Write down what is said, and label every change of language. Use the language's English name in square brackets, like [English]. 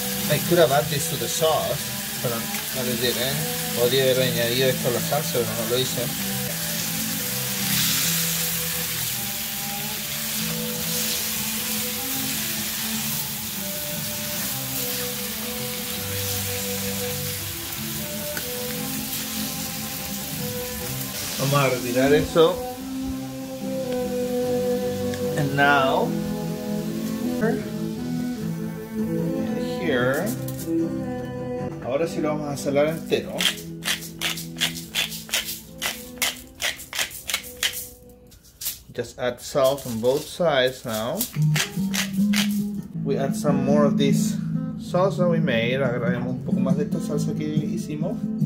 [English] I could have added this to the sauce. [Spanish] Pero no les diré, podría haber añadido esto a la salsa, pero no lo hice. Vamos a retirar eso. [English] And now, here. [Spanish] Ahora sí lo vamos a salar entero. [English] Just add salt on both sides now. We add some more of this salsa we made. [Spanish] Agregamos un poco más de esta salsa que hicimos.